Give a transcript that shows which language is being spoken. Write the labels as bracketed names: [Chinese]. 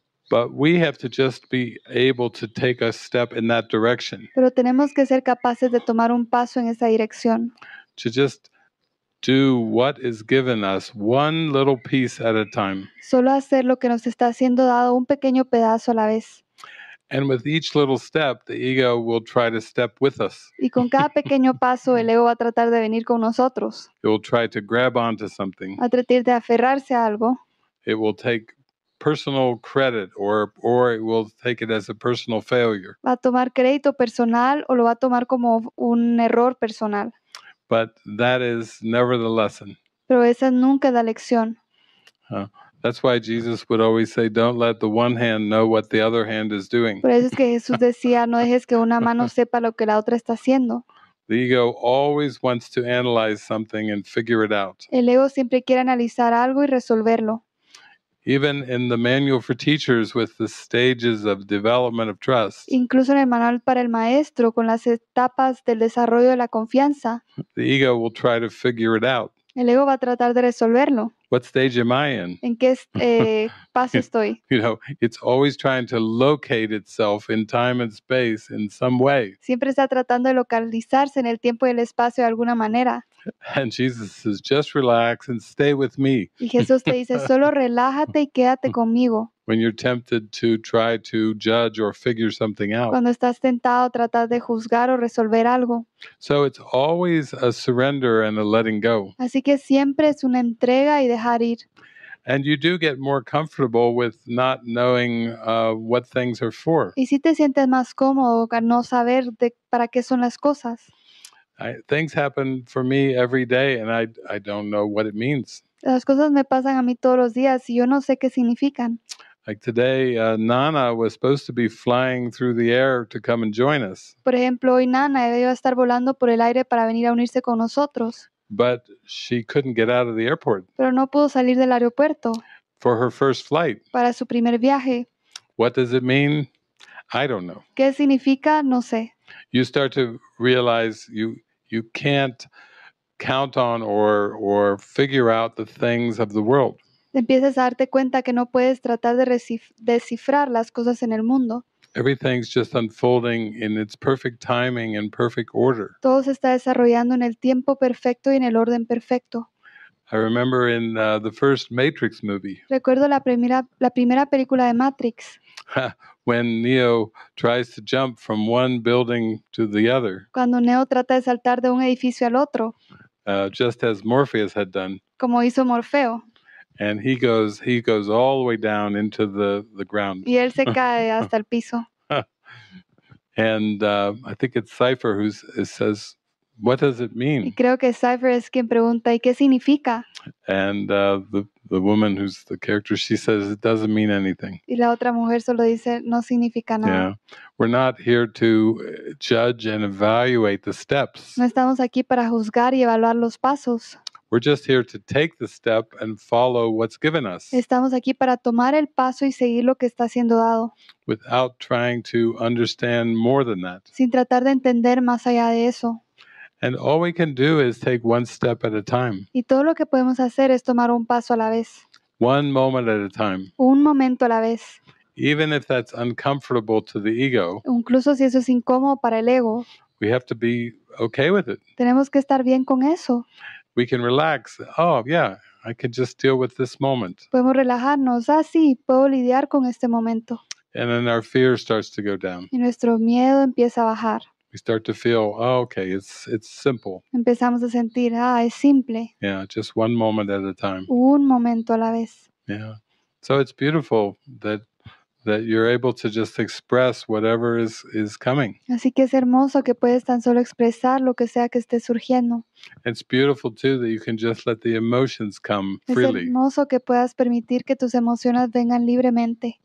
[English] But we have to just be able to take a step in that direction. [Spanish] Pero tenemos que ser capaces de tomar un paso en esa dirección. [English] To just do what is given us, one little piece at a time. [Spanish] Solo hacer lo que nos está siendo dado, un pequeño pedazo a la vez. [English] And with each little step, the ego will try to step with us. [Spanish] Y con cada pequeño paso, el ego va a tratar de venir con nosotros. [English] It will try to grab onto something. [Spanish] A tratar de aferrarse a algo. [English] It will take personal credit or it will take it as a personal failure. [Spanish] Va a tomar crédito personal o lo va a tomar como un error personal. [English] But that is never the lesson. [Spanish] Pero esa nunca es la lección. [English] That's why Jesus would always say, don't let the one hand know what the other hand is doing. [Spanish] Por eso es que Jesús decía, no dejes que una mano sepa lo que la otra está haciendo. [English] The ego always wants to analyze something and figure it out. [Spanish] El ego siempre quiere analizar algo y resolverlo. [English] Even in the manual for teachers with the stages of development of trust. [Spanish] Incluso en el manual para el maestro con las etapas del desarrollo de la confianza. [English] The ego will try to figure it out. [Spanish] El ego va a tratar de resolverlo. [English] What stage am I in? [Spanish] ¿En qué paso estoy? [English] You know, it's always trying to locate itself in time and space in some way. [Spanish] Siempre está tratando de localizarse en el tiempo y el espacio de alguna manera. [English] And Jesus says, just relax and stay with me. [Spanish] Y Jesús te dice, solo relájate y quédate conmigo. [English] When you're tempted to try to judge or figure something out. [Spanish] Cuando estás tentado a tratar de juzgar o resolver algo. [English] So it's always a surrender and a letting go. [Spanish] Así que siempre es una entrega y dejar ir. [English] And you do get more comfortable with not knowing what things are for. [Spanish] Y si te sientes más cómodo con no saber de para qué son las cosas. [English] Things happen for me every day and I don't know what it means. [Spanish] Las cosas me pasan a mí todos los días y yo no sé qué significan. [English] Like today, Nana was supposed to be flying through the air to come and join us. [Spanish] Por ejemplo, hoy Nana iba a estar volando por el aire para venir a unirse con nosotros. [English] But she couldn't get out of the airport. [Spanish] Pero no pudo salir del aeropuerto. [English] For her first flight. [Spanish] Para su primer viaje. [English] What does it mean? I don't know. [Spanish] ¿Qué significa? No sé. [English] You start to realize you can't count on or figure out the things of the world. [Spanish] empiezas a darte cuenta que no puedes tratar de descifrar las cosas en el mundo. [English] Everything's just unfolding in its perfect timing and perfect order. [Spanish] Todo se está desarrollando en el tiempo perfecto y en el orden perfecto. [English] I remember in the first Matrix movie. [Spanish] Recuerdo la primera película de Matrix. [English] When Neo tries to jump from one building to the other. [Spanish] Cuando Neo trata de saltar de un edificio al otro. [English] Just as Morpheus had done. [Spanish] Como hizo Morfeo. [English] And he goes all the way down into the ground. [Spanish] Y él se cae hasta el piso. [English] And I think it's Cypher who says, "What does it mean?" [Spanish] Y creo que Cypher es quien pregunta, ¿y qué significa? [English] And the woman who's the character, she says, "It doesn't mean anything." [Spanish] Y la otra mujer solo dice, no significa nada. [English] Yeah. We're not here to judge and evaluate the steps. [Spanish] No estamos aquí para juzgar y evaluar los pasos. [English] We're just here to take the step and follow what's given us. [Spanish] Estamos aquí para tomar el paso y seguir lo que está siendo dado. [English] Without trying to understand more than that. [Spanish] Sin tratar de entender más allá de eso. [English] And all we can do is take one step at a time. [Spanish] Y todo lo que podemos hacer es tomar un paso a la vez. [English] One moment at a time. [Spanish] Un momento a la vez. [English] Even if that's uncomfortable to the ego. [Spanish] Incluso si eso es incómodo para el ego. [English] We have to be okay with it. [Spanish] Tenemos que estar bien con eso. [English] We can relax. Oh, yeah, I can just deal with this moment. [Spanish] Podemos relajarnos. Ah, sí, puedo lidiar con este momento. [English] And then our fear starts to go down. [Spanish] Y nuestro miedo empieza a bajar. [English] We start to feel, oh, okay, it's simple. [Spanish] Empezamos a sentir, ah, es simple. [English] Yeah, just one moment at a time. [Spanish] Un momento a la vez. [English] Yeah. So it's beautiful that you're able to just express whatever is coming. [Spanish] Así que es hermoso que puedes tan solo expresar lo que sea que esté surgiendo. [English] It's beautiful too that you can just let the emotions come freely. [Spanish] Es hermoso que puedas permitir que tus emociones vengan libremente.